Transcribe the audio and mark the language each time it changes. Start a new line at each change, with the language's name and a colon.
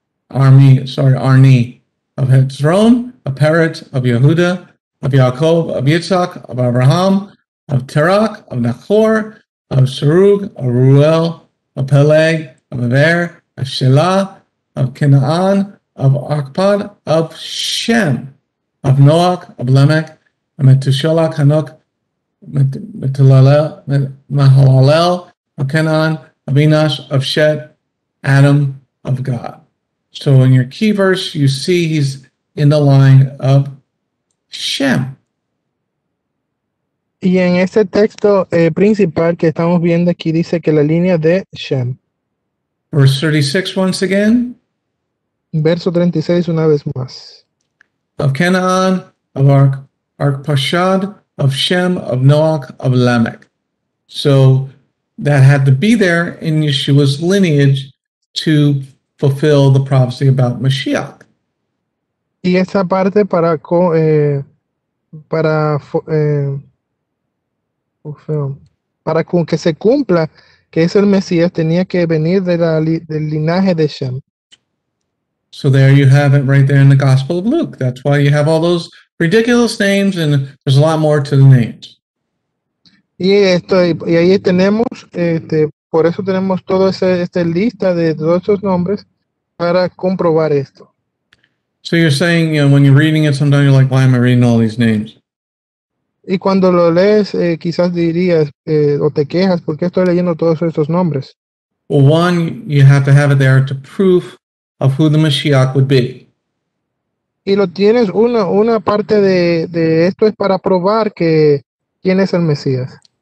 English: Arni, of Hezron, of Peret, of Yehuda, of Yaakov, of Yitzhak, of Abraham, of Terak, of Nachor, of Sarug, of Ruel, of Peleg, of Aver, of Shelah, of Kenaan, of Akpad, of Shem, of Noach, of Lamech, of Metusholah, Hanok, Mahalalel, of Kenan, of Enosh, of Shet, Adam of God. So in your key verse, you see he's in the line of Shem.
Spanish: Y en este texto principal que estamos viendo aquí dice que la línea de Shem.
English: Verse 36 once again.
Spanish: Verso 36 una vez más.
English: Of Canaan, of Arpachshad, of Shem, of Noach, of Lamech. So that had to be there in Yeshua's lineage to fulfill the prophecy about Mashiach.
Spanish: Y esa parte para para que se cumpla que es el Mesías tenía que venir de del linaje de Shem.
English: So there you have it right there in the Gospel of Luke. That's why you have all those ridiculous names and there's a lot more to the names.
Spanish: Y ahí tenemos por eso tenemos toda esta lista de todos esos nombres para comprobar esto.
English: So you're saying, you know, when you're reading it, sometimes you're like, why am I reading all these names?
Spanish: Y cuando lo lees, quizás dirías, o te quejas, ¿por qué estoy leyendo todos estos nombres?
English: Well, one, you have to have it there to prove of who the Mashiach would be.
Spanish: Y lo tienes, una parte de esto es para probar que quién es el Mesías.